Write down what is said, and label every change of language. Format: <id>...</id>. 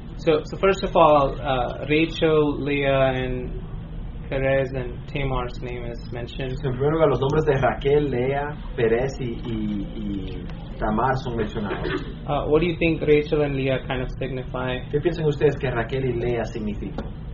<en>So first of all, Rachel, Leah, and Perez and Tamar's name is mentioned.</en> <es>En primer lugar, los nombres de Raquel, Lea, Perez y Tamar son mencionados.</es> <en>What do you think Rachel and Leah kind of signify?</en> <es>¿Qué piensan ustedes que Raquel y Lea significan?</es>